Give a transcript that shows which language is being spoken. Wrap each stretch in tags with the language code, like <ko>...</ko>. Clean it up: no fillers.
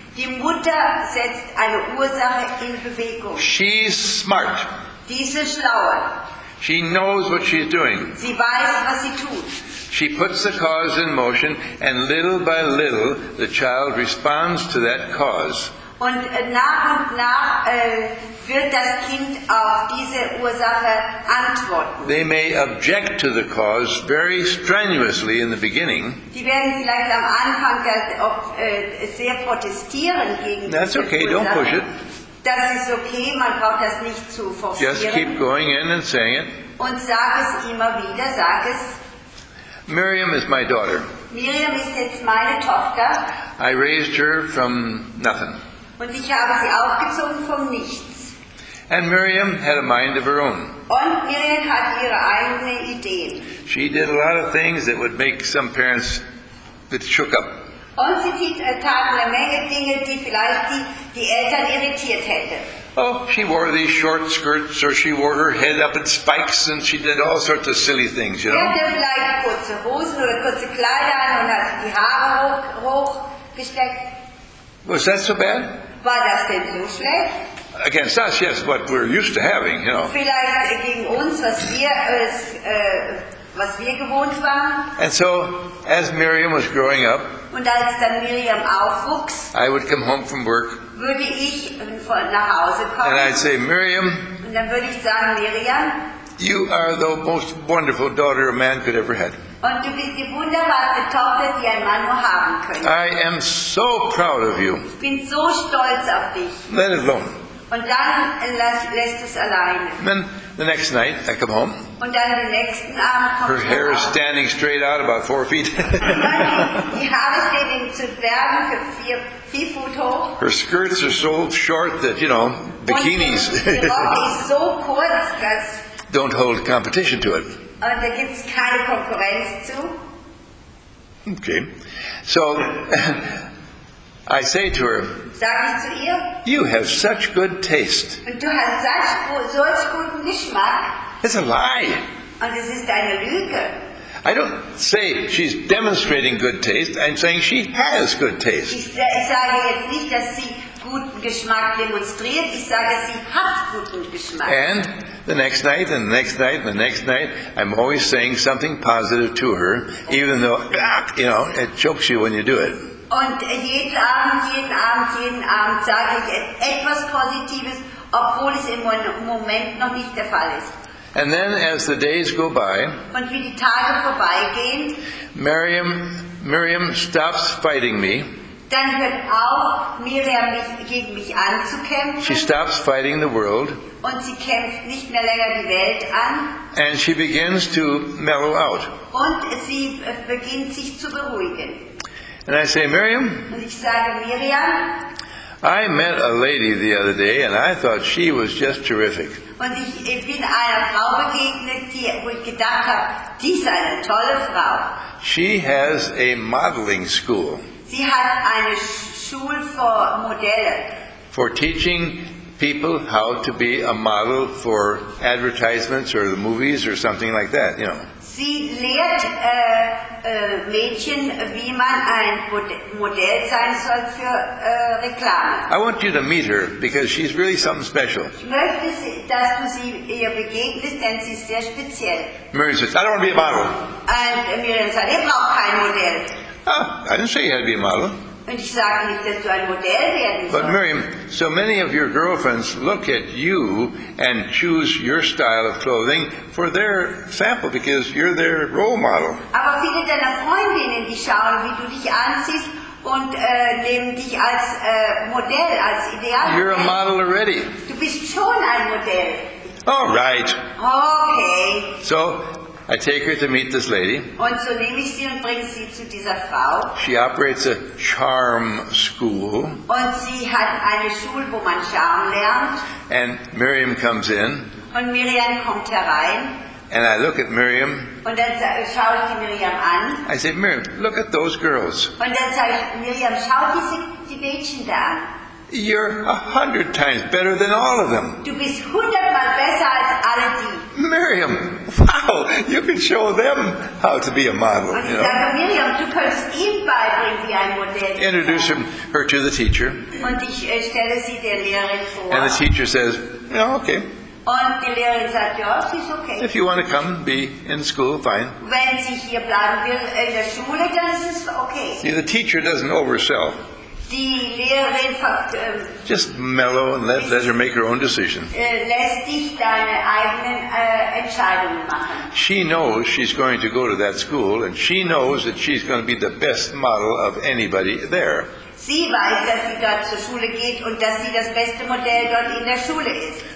<de>Die Mutter setzt eine Ursache in Bewegung.</de> <en>She's smart.</en> <de>Diese Schlaue.</de> <en>She knows what she's doing.</en> <de>Sie weiß, was sie tut.</de> <en>She puts the cause in motion, and little by little, the child responds to that cause.</en> <de>Und nach und nach wird das Kind auf diese Ursache antworten.</de> <en>They may object to the cause very strenuously in the beginning.</en> <de>Die werden vielleicht am Anfang sehr protestieren gegen diese Ursache.</de> <en>That's okay, don't push it.</en> <de>Das ist okay, man braucht das nicht zu forcieren.</de> <en>Just keep going in and saying it.</en> <de>Und sag es immer wieder, sag es.</de> <en>Miriam is my daughter.</en> <de>Miriam ist jetzt meine Tochter.</de> <en>I raised her from nothing.</en> <de>Und ich habe sie aufgezogen vom Nichts.</de> <en>And Miriam had a mind of her own.</en> <de>Und Miriam hat ihre eigene Idee.</de> <en>She did a lot of things that would make some parents that shook up.</en> <de>Und sie tat eine Menge Dinge, die vielleicht die Eltern irritiert hätten.</de> <en>Oh, she wore these short skirts, or she wore her head up in spikes, and she did all sorts of silly things, you know.</en> <de>Sie hatte vielleicht kurze Hosen oder kurze Kleider an und hat die Haare hochgesteckt.</de> <en>Was that so bad?</en> <de>War das denn so schlecht?</de> <en>Against us, yes, what we're used to having, you know.</en> <de>Vielleicht gegen uns, was wir gewohnt waren.</de> <en>And so, as Miriam was growing up,</en> <de>und als dann Miriam aufwuchs,</de> <en>I would come home from work,</en> <de>würde ich nach Hause kommen,</de> <en>and I'd say, "Miriam,</en> <de>und dann würde ich sagen, Miriam,</de> <en>you are the most wonderful daughter a man could ever had.</en> <de>Und du bist die wunderbarste Tochter, die ein Mann nur haben könnte.</de> <en>I am so proud of you.</en> <de>Ich bin so stolz auf dich.</de> <en>Let it alone."</en> <de>Und dann lässt es alleine.</de> <en>Then the next night, I come home.</en> <de>Und dann den nächsten Abend kommt</de> <en>her hair is standing straight out about 4 feet.</en> <de>Die Haare stehen zu Bergen für 4 Fuß hoch.</de> <en>Her skirts are so short that, you know, bikinis.</en> <de>Die Rock ist so kurz, dass...</de> <en>Don't hold competition to it.</en> <de>Und da gibt es keine Konkurrenz zu.</de> <en>Okay. So... I say to her,</en> <de>sag ich zu ihr,</de> <en>"You have such good taste."</en> <de>Und du hast solch guten Geschmack.</de> <en>It's a lie.</en> <de>Und es ist eine Lüge.</de> <en>I don't say she's demonstrating good taste. I'm saying she has good taste.</en> <de>Ich sage jetzt nicht, dass sie guten Geschmack demonstriert. Ich sage, sie hat guten Geschmack.</de> <en>And the next night, and the next night, and the next night, I'm always saying something positive to her, even though, you know, it chokes you when you do it.</en> <de>Und jeden Abend sage ich etwas Positives, obwohl es im Moment noch nicht der Fall ist.</de> <en>And then as the days go by,</en> <de>und wie die Tage vorbeigehen,</de> <en>Miriam stops fighting me.</en> <de>Dann hört auf, Miriam gegen mich anzukämpfen.</de> <en>She stops fighting the world.</en> <de>Und sie kämpft nicht mehr länger die Welt an.</de> <en>And she begins to mellow out.</en> <de>Und sie beginnt sich zu beruhigen.</de> <en>And I say, Miriam,</en> <de>und ich sage, Miriam,</de> <en>I met a lady the other day and I thought she was just terrific.</en> <de>Und ich bin einer Frau begegnet, die, wo ich gedacht habe, die ist eine tolle Frau.</de> <en>She has a modeling school.</en> <de>Sie hat eine Schule für Modelle.</de> <en>For teaching people how to be a model for advertisements or the movies or something like that, you know.</en> <de>Sie lehrt Mädchen, wie man ein Modell sein soll für Reklame.</de> <en>I want you to meet her because she's really something special.</en> <de>Ich möchte, dass du sie ihr begegnest, denn sie ist sehr speziell.</de> <en>Miriam says, I don't want to be a model.</en> <de>Und Miriam sagt, ich brauche kein Modell.</de> <en>Ah, I didn't say you had to be a model.</en> <de>Und ich sage nicht, dass du ein Modell werden sollst.</de> <en>But Miriam, so many of your girlfriends look at you and choose your style of clothing for their sample because you're their role model.</en> <de>Aber viele deiner Freundinnen, die schauen, wie du dich anziehst und nehmen dich als Modell, als Ideal.</de> <en>You're a model already.</en> <de>Du bist schon ein Modell.</de> <en>All right.</en> <de>Okay.</de> <en>So I take her to meet this lady.</en> <de>Und so nehme ich sie und bringe sie zu dieser Frau.</de> <en>She operates a charm school.</en> <de>Und sie hat eine Schule, wo man Charme lernt.</de> <en>And Miriam comes in.</en> <de>Und Miriam kommt herein.</de> <en>And I look at Miriam.</en> <de>Und dann schaue ich die Miriam an.</de> <en>I say, Miriam, look at those girls.</en> <de>Und dann sage ich, Miriam, schau diese die Mädchen da an.</de> <en>You're 100 times better than all of them.</en> <de>Du bist 100-mal besser als alle die.</de> <en>Miriam, wow, you can show them how to be a model.</en> <de>Und ich sage, Miriam, du kannst ihm beibringen, wie ein Modell ist.</de> <en>Introduce her to the teacher.</en> <de>Und ich stelle sie der Lehrerin vor.</de> <en>And the teacher says, yeah, okay.</en> <de>Und die Lehrerin sagt, ja, sie ist okay.</de> <en>If you want to come be in school, fine.</en> <de>Wenn sie hier bleiben will in der Schule, dann ist es okay.</de> <en>See, the teacher doesn't oversell.</en> <de>Die Lehrerin fragt,</de> <en>just mellow and let her make her own decision.</en> <de>Lässt dich deine eigenen Entscheidungen machen.</de> <en>She knows she's going to go to that school and she knows that she's going to be the best model of anybody there.</en> <de>Sie weiß, dass sie dort zur Schule geht und dass sie das beste Modell dort in der Schule ist.</de>